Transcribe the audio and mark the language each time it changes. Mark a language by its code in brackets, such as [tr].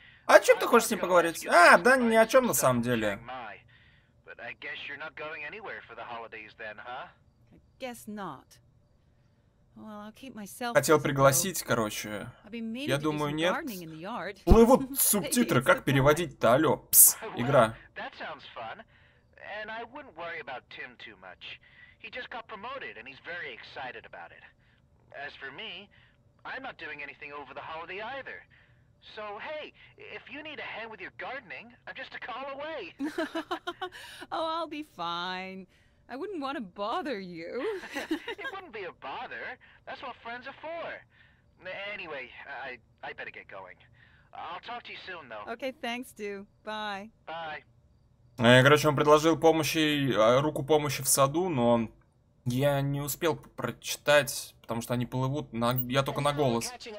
[ru] О чем ты хочешь с ним поговорить? А, да ни о чем на самом деле. [en] I guess you're not going anywhere for the holidays then, huh? I guess not. Well, I'll keep myself. [ru] Хотел пригласить, короче. Я думаю, нет. Плывут субтитры, как переводить-то? Алло, пс, игра. [en] That sounds fun. And I wouldn't worry about Tim too much. He just got promoted and he's very excited about it. As for me, I'm not doing anything over the holiday either. So, hey, if you need a hand with your gardening, I'm just a call away. Oh, I'll be fine. I wouldn't want to bother you. It wouldn't be a bother. That's what friends are for. Anyway, I better get going. I'll talk to you soon, though. Okay, thanks, Stu. Bye. Bye. [ru] Короче, он предложил помощи, руку помощи в саду, но я не успел прочитать, потому что они плывут, я только на голос.